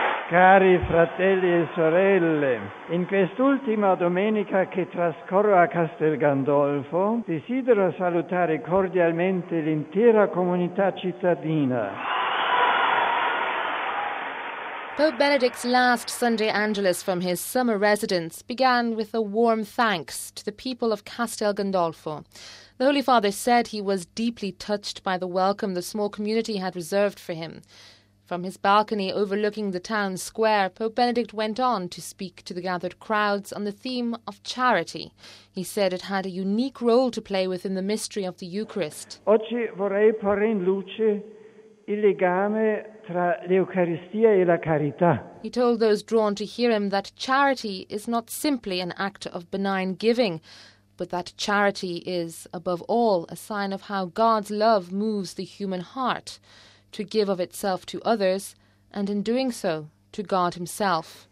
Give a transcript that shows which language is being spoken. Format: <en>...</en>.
<it>Cari fratelli e sorelle, in quest'ultima domenica che trascorro a Castel Gandolfo, desidero salutare cordialmente l'intera comunità cittadina.</it> <en>Pope Benedict's last Sunday Angelus from his summer residence began with a warm thanks to the people of Castel Gandolfo. The Holy Father said he was deeply touched by the welcome the small community had reserved for him. From his balcony overlooking the town square, Pope Benedict went on to speak to the gathered crowds on the theme of charity. He said it had a unique role to play within the mystery of the Eucharist.</en> <it>Oggi vorrei porre in luce il legame tra l'Eucaristia e la carità.</it> <en>He told those drawn to hear him that charity is not simply an act of benign giving, but that charity is, above all, a sign of how God's love moves the human heart, to give of itself to others, and in doing so, to God himself.</en>